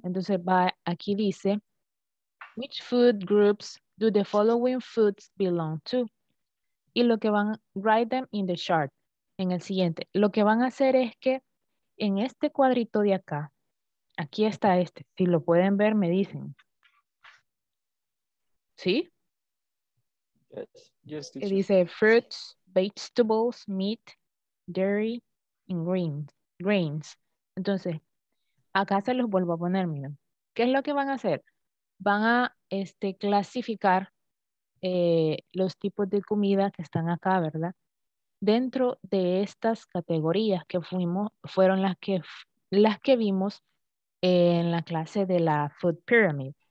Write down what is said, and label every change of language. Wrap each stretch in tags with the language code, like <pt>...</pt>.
<es>Entonces va, aquí dice,</es> <en>which food groups do the following foods belong to?</en> <es>Y lo que van,</es> <en>write them in the chart,</en> <es>en el siguiente. Lo que van a hacer es que en este cuadrito de acá, aquí está este, si lo pueden ver, me dicen. ¿Sí?</es> <en>Yes. Yes, dice fruits, vegetables, meat, dairy, and grains.</en> <es>Entonces, acá se los vuelvo a poner, miren. ¿Qué es lo que van a hacer? Van a clasificar los tipos de comida que están acá, ¿verdad? Dentro de estas categorías que fueron las que vimos en la clase de la Food Pyramid.</es>